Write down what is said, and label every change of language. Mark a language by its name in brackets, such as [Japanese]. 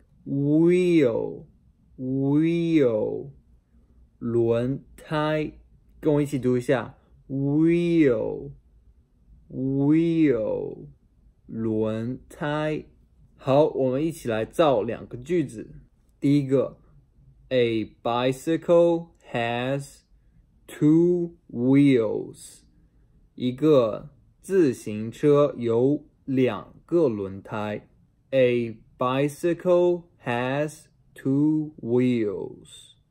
[English] Wheel, wheel, 轮胎。 [Chinese] 跟我一起读一下。 [English] Wheel, wheel, 轮胎。 [Chinese] 好，我们一起来造两个句子。第一个。 [English] A bicycle has two wheels. [Chinese] 一个。自行车有两个轮胎。 [English] A bicycle has two wheels.